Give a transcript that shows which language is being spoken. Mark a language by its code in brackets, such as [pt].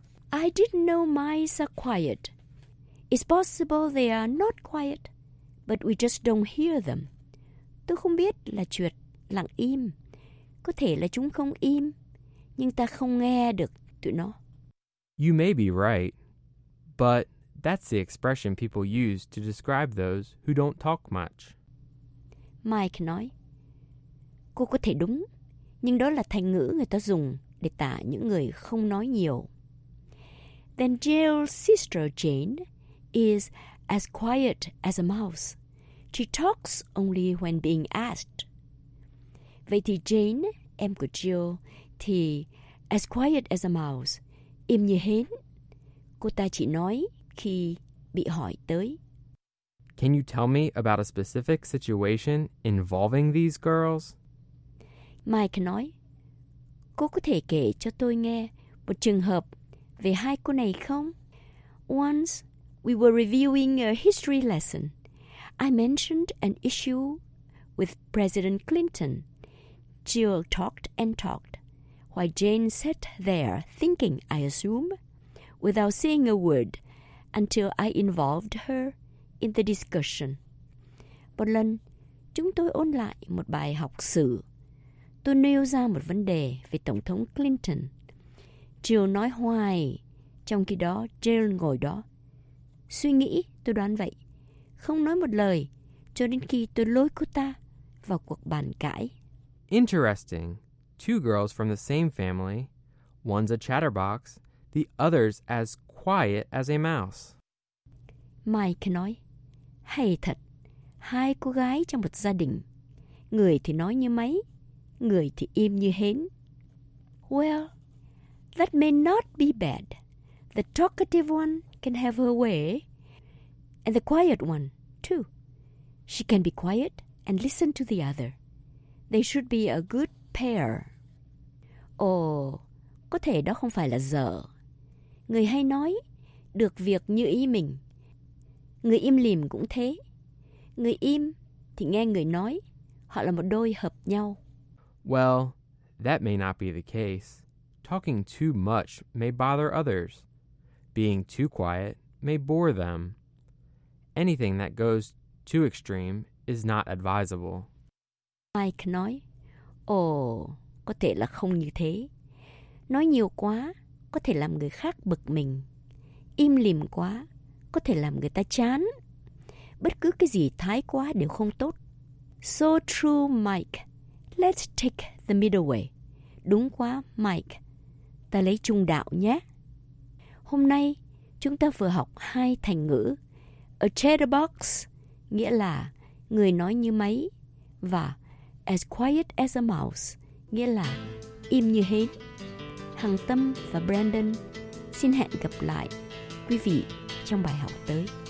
[en] I didn't know mice are quiet. It's possible they are not quiet, but we just don't hear them. [vi] Tôi không biết là chuột lặng im. Có thể là chúng không im, nhưng ta không nghe được tụi nó. [en] You may be right, but that's the expression people use to describe those who don't talk much. [vi] Mike nói, cô có thể đúng, nhưng đó là thành ngữ người ta dùng để tả những người không nói nhiều. [en] Then Jill's sister Jane is as quiet as a mouse. She talks only when being asked. [vi] Vậy thì Jane, em của Jill, thì [en] as quiet as a mouse, [vi] im như hến. Cô ta chỉ nói khi bị hỏi tới. [en] Can you tell me about a specific situation involving these girls? [vi] Mike nói, cô có thể kể cho tôi nghe một trường hợp về hai cô này không? [en] Once, we were reviewing a history lesson. I mentioned an issue with President Clinton. Jill talked and talked, while Jane sat there thinking, I assume, without saying a word, until I involved her in the discussion. [vi] Một lần, chúng tôi ôn lại một bài học sử. Tôi nêu ra một vấn đề về Tổng thống Clinton. Jill nói hoài, trong khi đó Jill ngồi đó. Suy nghĩ, tôi đoán vậy. Không nói một lời, cho đến khi tôi lôi cô ta vào cuộc bàn cãi. [en] Interesting. Two girls from the same family. One's a chatterbox, the other's as quiet as a mouse. [vi] Mike nói, hay thật. Hai cô gái trong một gia đình. Người thì nói như máy, người thì im như hến. [en] Well, that may not be bad. The talkative one can have her way. And the quiet one, too. She can be quiet and listen to the other. They should be a good pair. [vi] Oh, có thể đó không phải là dở. Người hay nói, được việc như ý mình. Người im lìm cũng thế. Người im thì nghe người nói. Họ là một đôi hợp nhau. [en] Well, that may not be the case. Talking too much may bother others. Being too quiet may bore them. Anything that goes too extreme is not advisable. [vi] Mike nói, có thể là không như thế. Nói nhiều quá có thể làm người khác bực mình. im lìm quá có thể làm người ta chán. Bất cứ cái gì thái quá đều không tốt. [en] So true, Mike. Let's take the middle way. [vi] Đúng quá, Mike. Ta lấy trung đạo nhé. Hôm nay, chúng ta vừa học hai thành ngữ. A chatterbox, nghĩa là người nói như máy. Và [en] as quiet as a mouse, [vi] nghĩa là im như hến. Hằng Tâm và Brandon xin hẹn gặp lại quý vị trong bài học tới.